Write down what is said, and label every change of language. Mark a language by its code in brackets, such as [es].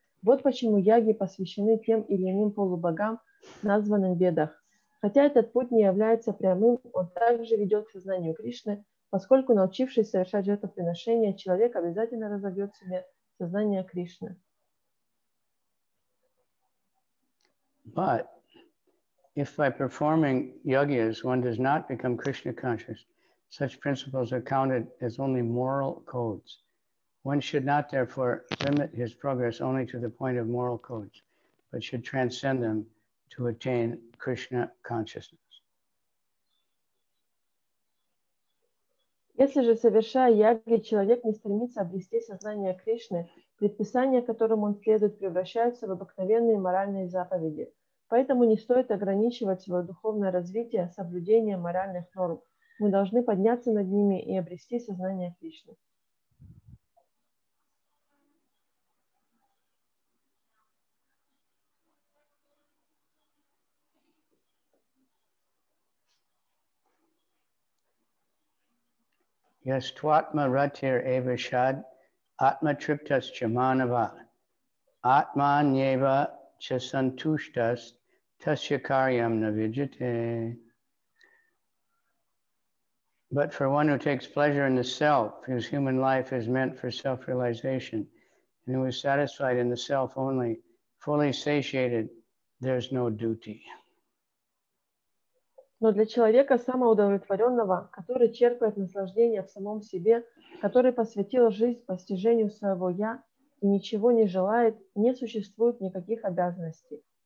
[ru] Вот почему яги посвящены тем или иным полубогам, названным в Ведах. Хотя этот путь не является прямым, он также ведет к сознанию Кришны, поскольку, научившись совершать жертвоприношения, человек обязательно разовьет в себе сознание Кришны. [en] But if by performing yajñas one does not become Krishna conscious, such principles are counted as only moral codes. One should not therefore limit his progress only to the point of moral codes, but should transcend them to attain Krishna consciousness. [ru] Если же, совершая яги, человек не стремится обрести сознание Кришны, предписания, которым он следует, превращаются в обыкновенные моральные заповеди. Поэтому не стоит ограничивать свое духовное развитие соблюдением моральных норм. мы должны подняться над ними и обрести сознание Кришны. [sa] Yastvatma ratir eva shad atma triptas chamanava atman yeva chasantushtas tasyakaryam navijate. [en] But for one who takes pleasure in the self, whose human life is meant for self-realization, and who is satisfied in the self only, fully satiated, there's no duty. [ru] Но для человека самоудовлетворенного, который черпает наслаждение в самом себе, который посвятил жизнь постижению своего «я» и ничего не желает, не существует никаких обязанностей.